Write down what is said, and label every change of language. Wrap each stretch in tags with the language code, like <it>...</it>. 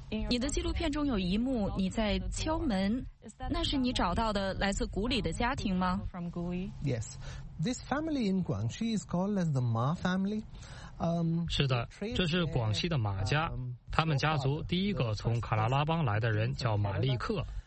<zh>你的纪录片中有一幕，你在敲门，那是你找到的来自古里的家庭吗？</zh> <en>Yes, this family in Guangxi is called as the Ma family.</en> <zh>是的，这是广西的马家，他们家族第一个从喀拉拉邦来的人叫马利克，</zh>